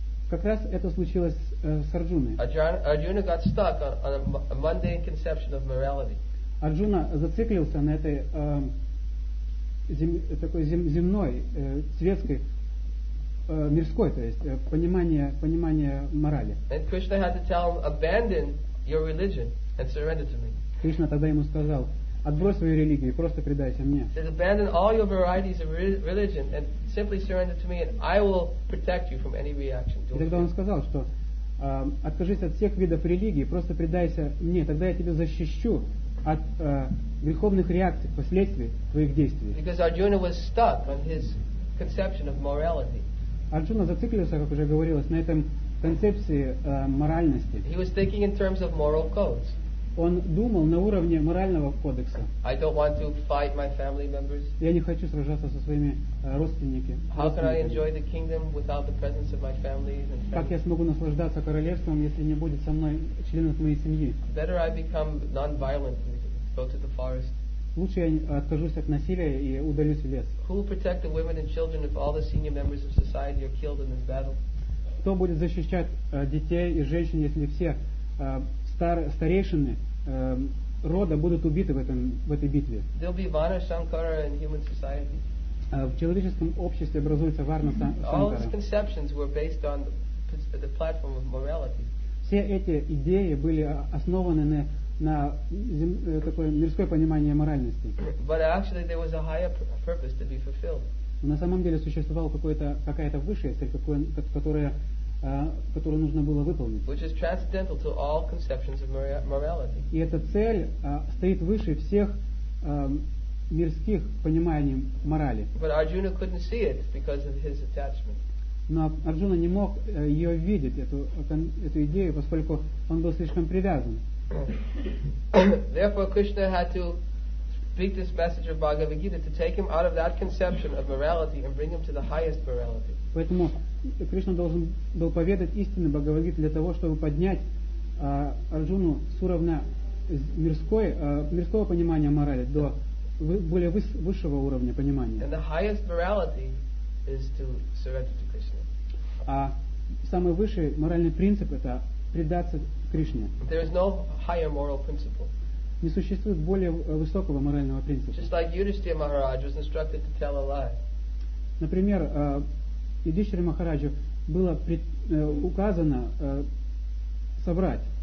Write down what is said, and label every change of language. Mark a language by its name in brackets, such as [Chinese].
[Russian] Как раз это случилось с Арджуной. [English] Arjuna got stuck on a mundane conception of morality. [Russian] Арджуна зациклился на этой такой земной, светской, мирской, то есть понимание морали. [English] And Krishna had to tell him, abandon your religion and surrender to me. [Russian] Кришна тогда ему сказал: отбрось свою религию и просто предайся мне. [English] He said, abandon all your varieties of religion and simply surrender to me, and I will protect you from any reaction. [Russian] И тогда он сказал, что откажись от всех видов религии, просто предайся мне, тогда я тебя защищу от греховных реакций, последствий твоих действий. [English] Because Arjuna was stuck on his conception of morality. [Russian] Арджуна зациклился, как уже говорилось, на этом концепции моральности. [English] He was thinking in terms of moral codes. [Russian] Он думал на уровне морального кодекса. [English] I don't want to fight my family members. [Russian] Я не хочу сражаться со своими родственниками. [English] How can I enjoy the kingdom without the presence of my family and friends? [Russian] Как я смогу наслаждаться королевством, если не будет со мной членов моей семьи? [English] Better I become non-violent and go to the forest. [Russian] Лучше я откажусь от насилия и удалюсь в лес. [English] Who will protect the women and children if all the senior members of society are killed in this battle? [Russian] Кто будет защищать детей и женщин, если все старейшины рода будут убиты в этой битве? [English] There'll be Varna Shankara in human society. [Russian] В человеческом обществе образуется Варна Шанкара. [English] All these conceptions were based on the platform of morality. [Russian] Все эти идеи были основаны на такое мирское понимание моральности. [English] But actually there was a higher purpose to be fulfilled. [Russian] На самом деле существовала какая-то высшая цель, которую нужно было выполнить. [English] Which is transcendental to all conceptions of morality. [Russian] И эта цель стоит выше всех мирских пониманий морали. [English] But Arjuna couldn't see it because of his attachment. [Russian] Но Арджуна не мог ее видеть, эту идею, поскольку он был слишком привязан. [English] Therefore, Krishna had to speak this message of Bhagavad Gita to take him out of that conception of morality and bring him to the highest morality. [Russian] Поэтому Кришна должен был поведать истину Бхагавад Гиты для того, чтобы поднять Арджуну с уровня мирского понимания морали до более высшего уровня понимания. [English] And the highest morality is to surrender to Krishna. [Russian] А самый высший моральный принцип – это предаться Кришне. [English] There is no higher moral principle. [Russian] Не существует более высокого морального принципа. [English] Just like Yudhishthira Maharaj was instructed to tell a lie. [Russian] Например, Юдхиштхире Махараджу было указано соврать.